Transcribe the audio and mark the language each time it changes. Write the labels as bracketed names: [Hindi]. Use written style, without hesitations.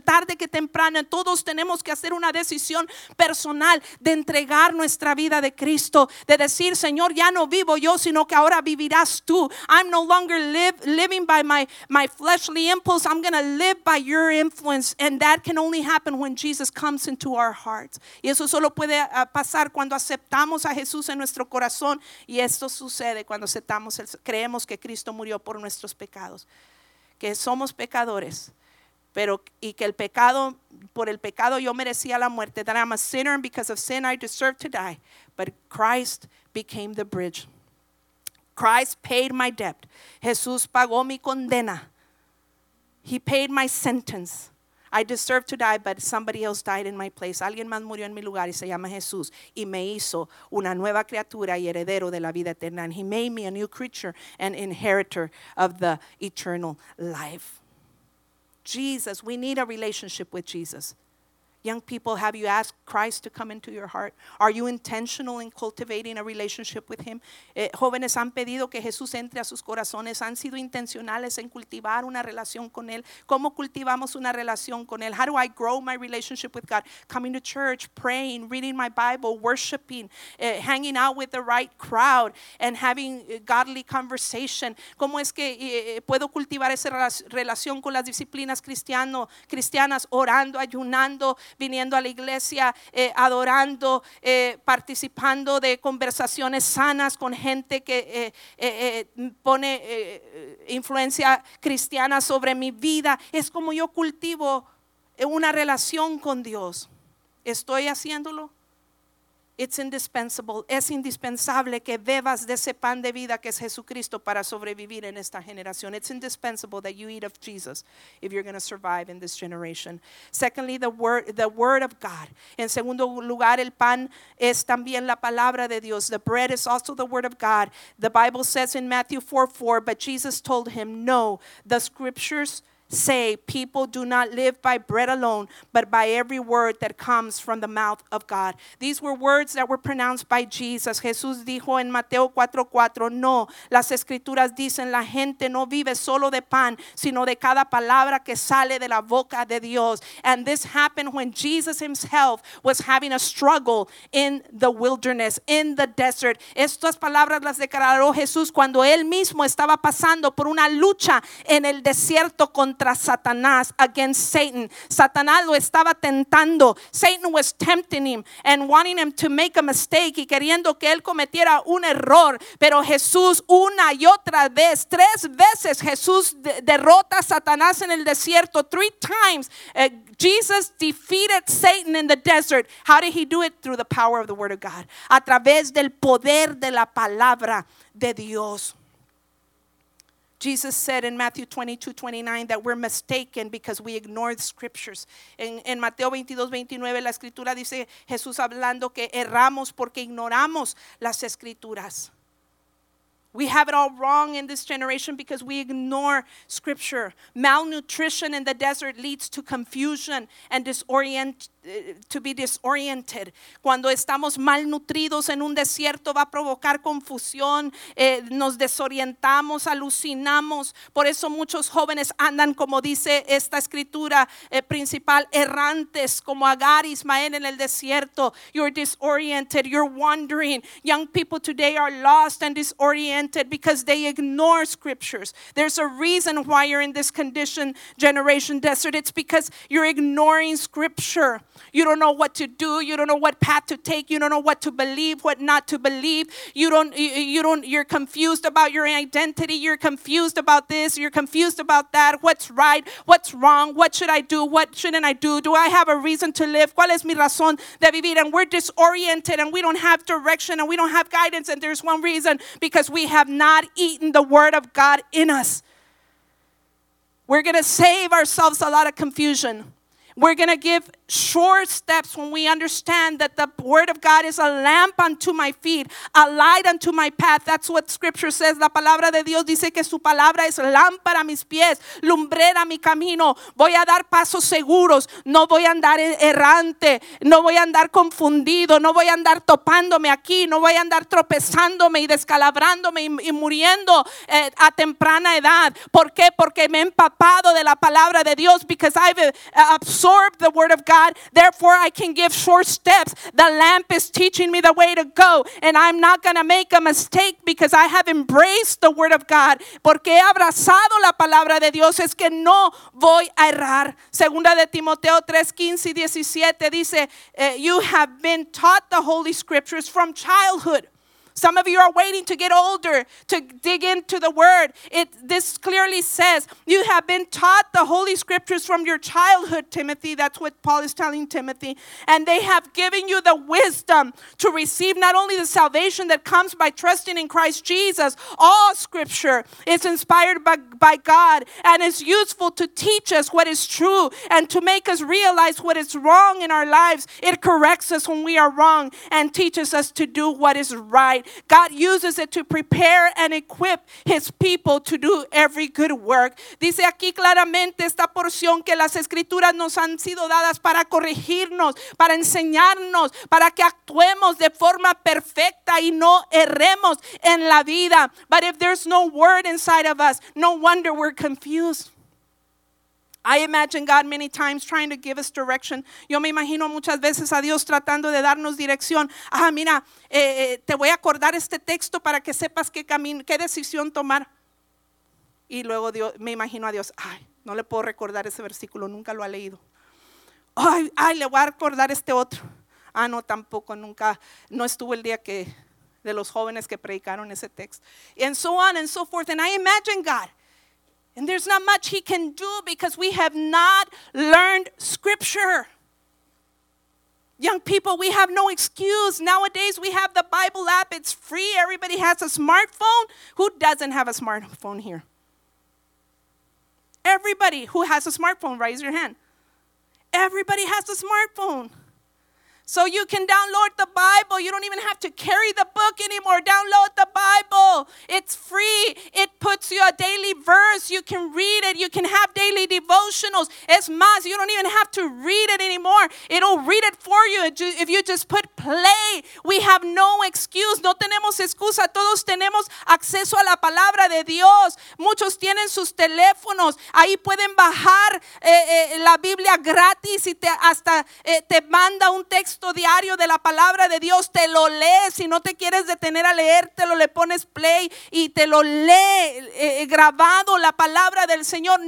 [Spanish] Tarde que temprano, todos tenemos que hacer una decisión personal de entregar nuestra vida de Cristo, de decir, Señor, ya no vivo yo, sino que ahora vivirás tú. [English] I'm no longer living by my fleshly impulse. I'm going to live by your influence. And that can only happen when Jesus comes into our hearts. [Spanish] Y eso solo puede pasar cuando aceptamos a Jesús en nuestro corazón. Y esto sucede cuando aceptamos, creemos que Cristo murió por nuestros pecados. Que somos pecadores. Pero y que el pecado, por el pecado yo merecía la muerte. [English] That I'm a sinner and because of sin I deserve to die. But Christ became the bridge. Christ paid my debt. [Spanish] Jesús pagó mi condena. [English] He paid my sentence. I deserve to die, but somebody else died in my place. [Spanish] Alguien más murió en mi lugar y se llama Jesús. Y me hizo una nueva criatura y heredero de la vida eterna. [English] And he made me a new creature and inheritor of the eternal life. Jesus, we need a relationship with Jesus. Young people, have you asked Christ to come into your heart? Are you intentional in cultivating a relationship with him? [Spanish] Jóvenes, ¿han pedido que Jesús entre a sus corazones? ¿Han sido intencionales en cultivar una relación con él? ¿Cómo cultivamos una relación con él? [English] How do I grow my relationship with God? Coming to church, praying, reading my Bible, worshiping, hanging out with the right crowd, and having godly conversation. [Spanish] ¿Cómo es que puedo cultivar esa relación con las disciplinas cristianas, orando, ayunando, viniendo a la iglesia, adorando, participando de conversaciones sanas con gente que pone influencia cristiana sobre mi vida? Es como yo cultivo una relación con Dios. ¿Estoy haciéndolo? [English] It's indispensable. [Spanish] Es indispensable que bebas de ese pan de vida que es Jesucristo para sobrevivir en esta generación. [English] It's indispensable that you eat of Jesus if you're going to survive in this generation. Secondly, the word of God. [Spanish] En segundo lugar, el pan es también la palabra de Dios. [English] The bread is also the word of God. The Bible says in Matthew 4:4, but Jesus told him, no, the scriptures say, people do not live by bread alone, but by every word that comes from the mouth of God. These were words that were pronounced by Jesus. Jesús dijo en Mateo 4:4, no, las escrituras dicen, la gente no vive solo de pan, sino de cada palabra que sale de la boca de Dios. And this happened when Jesus himself was having a struggle in the wilderness, in the desert. [Spanish] Estas palabras las declaró Jesús cuando él mismo estaba pasando por una lucha en el desierto contra Satanás, [English] against Satan. [Spanish] Satanás lo estaba tentando. [English] Satan was tempting him and wanting him to make a mistake, [Spanish] y queriendo que él cometiera un error. Pero Jesús, una y otra vez, tres veces Jesús derrota a Satanás en el desierto. [English] Three times Jesus defeated Satan in the desert. How did he do it? Through the power of the word of God. [Spanish] A través del poder de la palabra de Dios. [English] Jesus said in Matthew 22:29 that we're mistaken because we ignore the scriptures. [Spanish] En Mateo 22:29 la escritura dice, Jesús hablando, que erramos porque ignoramos las escrituras. [English] We have it all wrong in this generation because we ignore scripture. Malnutrition in the desert leads to confusion and to be disoriented. [Spanish] Cuando estamos malnutridos en un desierto va a provocar confusión, nos desorientamos, alucinamos. Por eso muchos jóvenes andan, como dice esta escritura principal, errantes, como Agar y Ismael en el desierto. [English] You're disoriented, you're wandering. Young people today are lost and disoriented because they ignore scriptures. There's a reason why you're in this condition, generation desert. It's because you're ignoring scripture. You don't know what to do. You don't know what path to take. You don't know what to believe, what not to believe. You're confused about your identity. You're confused about this. You're confused about that. What's right? What's wrong? What should I do? What shouldn't I do? Do I have a reason to live? [Spanish] ¿Cuál es mi razón de vivir? [English] And we're disoriented and we don't have direction and we don't have guidance. And there's one reason, because we have not eaten the word of God in us. We're going to save ourselves a lot of confusion. We're going to give sure steps when we understand that the word of God is a lamp unto my feet, a light unto my path. That's what scripture says. [Spanish] La palabra de Dios dice que su palabra es lámpara a mis pies, lumbrera a mi camino. Voy a dar pasos seguros. No voy a andar errante. No voy a andar confundido. No voy a andar topándome aquí. No voy a andar tropezándome y descalabrándome y muriendo a temprana edad. ¿Por qué? Porque me he empapado de la palabra de Dios. [English] Because I've absorbed the word of God, therefore I can give short steps. The lamp is teaching me the way to go, and I'm not going to make a mistake because I have embraced the word of God. [Spanish] Porque he abrazado la palabra de Dios, es que no voy a errar. Segunda de Timoteo 3:15-17 dice, [English] you have been taught the holy scriptures from childhood. Some of you are waiting to get older to dig into the word. This clearly says you have been taught the holy scriptures from your childhood, Timothy. That's what Paul is telling Timothy. And they have given you the wisdom to receive not only the salvation that comes by trusting in Christ Jesus. All scripture is inspired by God and is useful to teach us what is true and to make us realize what is wrong in our lives. It corrects us when we are wrong and teaches us to do what is right. God uses it to prepare and equip his people to do every good work. [Spanish] Dice aquí claramente esta porción que las escrituras nos han sido dadas para corregirnos, para enseñarnos, para que actuemos de forma perfecta y no erremos en la vida. [English] But if there's no word inside of us, no wonder we're confused. I imagine God many times trying to give us direction. [Spanish] Yo me imagino muchas veces a Dios tratando de darnos dirección. Ah, mira, te voy a acordar este texto para que sepas qué decisión tomar. Y luego Dios, me imagino a Dios, ay, no le puedo recordar ese versículo, nunca lo ha leído. Ay, le voy a recordar este otro. Ah, no, tampoco, nunca, no estuvo el día que de los jóvenes que predicaron ese texto. [English] And so on and so forth. And I imagine God. And there's not much he can do because we have not learned scripture. Young people, we have no excuse. Nowadays, we have the Bible app. It's free. Everybody has a smartphone. Who doesn't have a smartphone here? Everybody who has a smartphone, raise your hand. Everybody has a smartphone. So you can download the Bible. You don't even have to carry the book anymore. Download the Bible. It's free. It puts you a daily verse. You can read it. You can have daily devotionals. [Spanish] Es más, [English] you don't even have to read it anymore. It'll read it for you if you just put play. We have no excuse. [Spanish] No tenemos excusa. Todos tenemos acceso a la palabra de Dios. Muchos tienen sus teléfonos. Ahí pueden bajar la Biblia gratis y te manda un texto diario de la palabra de Dios, te lo lees. Si no te quieres detener a leértelo, le pones play y te lo lee grabado la palabra del Señor.